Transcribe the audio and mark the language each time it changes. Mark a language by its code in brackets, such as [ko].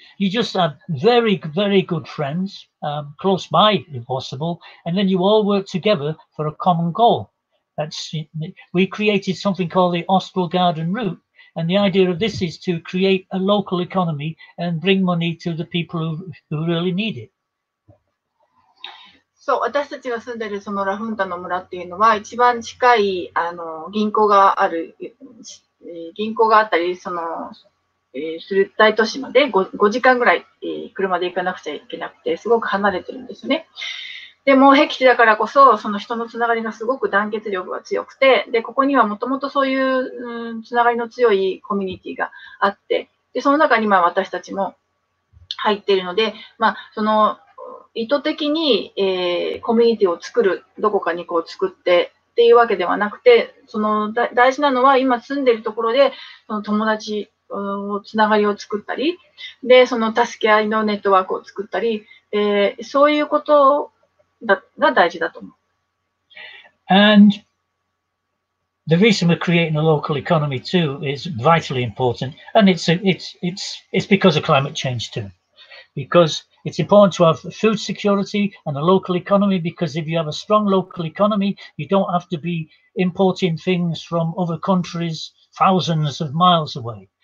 [en] You just have very, very good friends, close by if possible, and then you all work together for a common goal. We created something called the Austral Garden Route, and the idea of this is to create a local economy and bring money to the people who really need it. [ja] そう、私たちが住んでるそのラフンタの村っていうのは一番近いあの銀行がある銀行があったりその、する大都市まで 5時間ぐらい、車で行かなくちゃいけなくてすごく離れてるんですね。でも僻地だからこそその人のつながりがすごく団結力が強くて、でここにはもともとそういう、つながりの強いコミュニティがあって、でその中に私たちも入っているので、まあその意図的に、コミュニティを作る、どこかにこう作ってっていうわけではなくて、その大事なのは今住んでいるところでその友達のつながりを作ったり、でその助け合いのネットワークを作ったり、そういうことが大事だと思う。 [en] And the reason we're creating a local economy too is vitally important, and it's because of climate change too, becauseIt's important to have food security and a local economy, because if you have a strong local economy, you don't have to be importing things from other countries thousands of miles away.